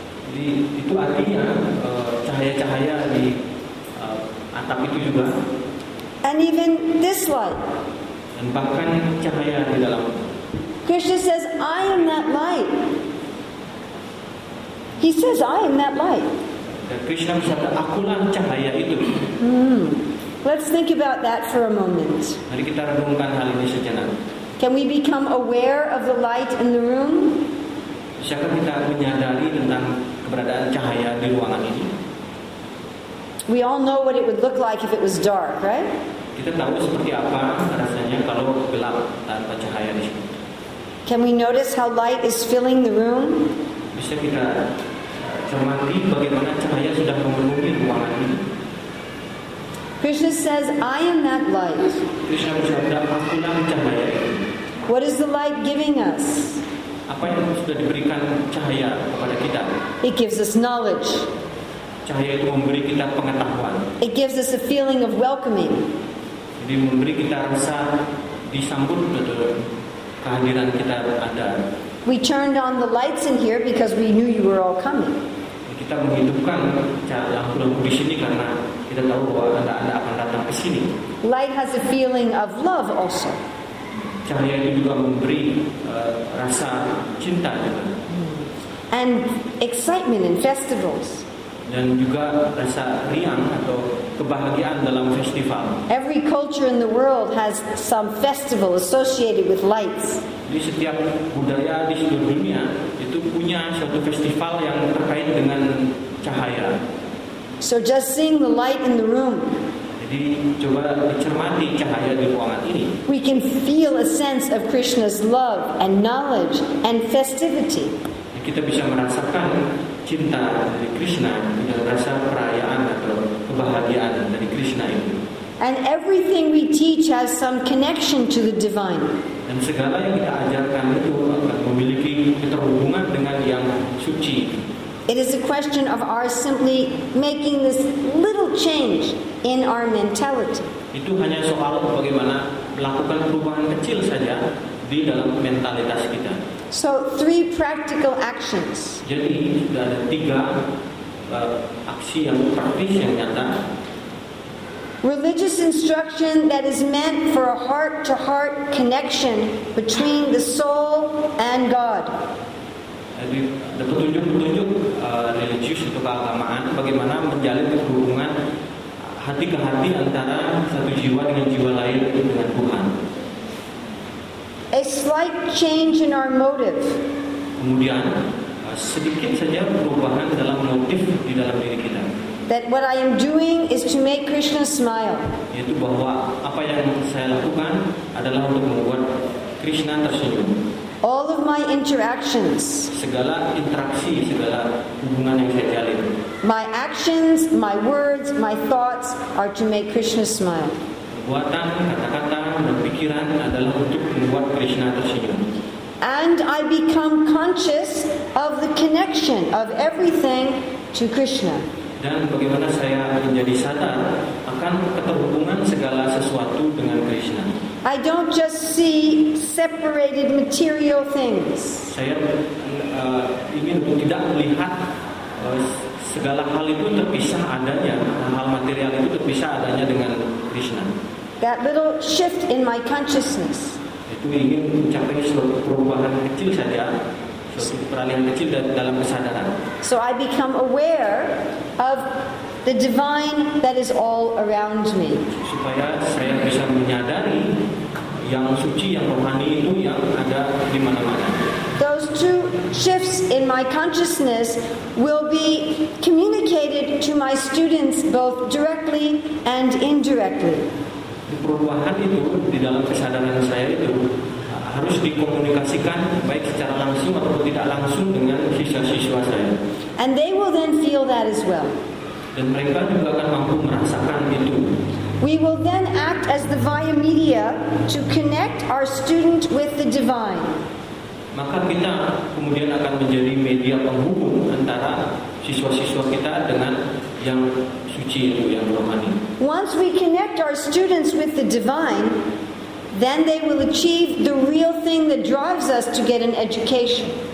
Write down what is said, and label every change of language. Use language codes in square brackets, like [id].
[id] Jadi itu artinya cahaya-cahaya di atap itu juga. [en] And even this light. [id] Dan bahkan cahaya di dalam. [en] Krishna says, "I am that light." He says, "I am that light." [id] Dan Krishna bersabda, "Akulah cahaya itu." [en] Let's think about that for a moment. [id] Mari kita renungkan hal ini sejenak. [en] Can we become aware of the light in the room? [id] Bisakah kita menyadari tentang keberadaan cahaya di ruangan ini? [en] We all know what it would look like if it was dark, right? [id] Kita tahu seperti apa rasanya kalau gelap tanpa cahaya di sini. [en] Can we notice how light is filling the room? [id] Bisa kita cermati bagaimana cahaya sudah memenuhi ruangan ini? [en] Krishna says, "I am that light." [id] Krishna bersabda, "Akulah cahaya." [en] What is the light giving us? [id] Apa yang sudah diberikan cahaya kepada kita? [en] It gives us knowledge. [id] Cahaya itu memberi kita pengetahuan. [en] It gives us a feeling of welcoming. [id] Jadi memberi kita rasa disambut betul kehadiran kita ada. [en] We turned on the lights in here because we knew you were all coming. [id] Kita menghidupkan lampu-lampu di sini karena kita tahu bahwa anda akan datang ke sini. [en] Light has a feeling of love also. [id] Cahaya ini juga memberi rasa cinta juga. [en] And excitement in festivals. [id] Dan juga rasa riang atau kebahagiaan dalam festival. [en] Every culture in the world has some festival associated with lights. [id] Di setiap budaya di seluruh dunia itu punya suatu festival yang terkait dengan cahaya. [en] So just seeing the light in the room. [id] Jadi coba dicermati cahaya di ruangan ini. [en] We can feel a sense of Krishna's love and knowledge and festivity. [id] Kita bisa merasakan cinta dari Krishna, dengan rasa perayaan atau kebahagiaan dari Krishna itu. [en] And everything we teach has some connection to the divine. [id] Dan segala yang kita ajarkan itu memiliki keterhubungan dengan yang suci. [en] It is a question of our simply making this little change in our mentality. [id] Itu hanya soal bagaimana melakukan perubahan kecil saja di dalam mentalitas kita. [en] So three practical actions. [id] Jadi sudah ada tiga aksi yang praktis yang nyata. [en] Religious instruction that is meant for a heart-to-heart connection between the soul and God. [id] Ada petunjuk-petunjuk religius atau keagamaan bagaimana menjalin hubungan hati ke hati antara satu jiwa dengan jiwa lain dengan Tuhan. [en] A slight change in our motive. [id] Kemudian sedikit saja perubahan dalam motif di dalam diri kita. [en] That what I am doing is to make Krishna smile. [id] Yaitu bahwa apa yang saya lakukan adalah untuk membuat Krishna tersenyum. [en] All of my interactions. [id] Segala interaksi, segala hubungan yang saya jalin. [en] My actions, my words, my thoughts are to make Krishna smile. [id] Perbuatan, kata-kata, dan pikiran adalah untuk membuat Krishna tersenyum. [en] And I become conscious of the connection of everything to Krishna. [id] Dan bagaimana saya menjadi sadar akan keterhubungan segala sesuatu dengan Krishna. [en] I don't just see separated material things. [id] Saya ingin tidak melihat segala hal itu terpisah adanya, hal material itu terpisah adanya dengan Krishna. [en] That little shift in my consciousness. [id] Itu ingin mencapai suatu perubahan kecil saja, suatu peralihan kecil dalam kesadaran. [en] So I become aware of the divine that is all around me. [id] Supaya saya bisa menyadari yang suci, yang rohani itu yang ada di mana-mana. [en] Those two shifts in my consciousness will be communicated to my students both directly and indirectly. [id] Perubahan itu di dalam kesadaran saya itu harus dikomunikasikan baik secara langsung atau tidak langsung dengan siswa-siswa saya. [en] And they will then feel that as well. [id] Dan mereka juga akan mampu merasakan itu. [en] We will then act as the via media to connect our student with the divine. [id] Maka kita kemudian akan menjadi media penghubung antara siswa-siswa kita dengan yang suci itu, yang rohani. [en] Once we connect our students with the divine, then they will achieve the real thing that drives us to get an education.